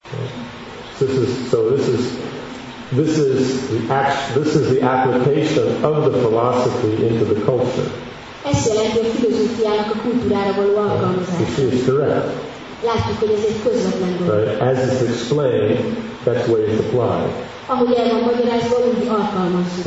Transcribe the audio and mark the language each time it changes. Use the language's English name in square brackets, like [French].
[English] This is, so this is the application of the philosophy into the culture. [Hungarian] Ezt jelenti a filozófia a kultúrára való alkalmazása. [English] This is direct. [Hungarian] Látjuk, hogy ez egy közvetlen dolog. [English] Right. As is explained, that's where it's applied. [Hungarian] Ahogy el van magyarázva, úgy alkalmazzuk.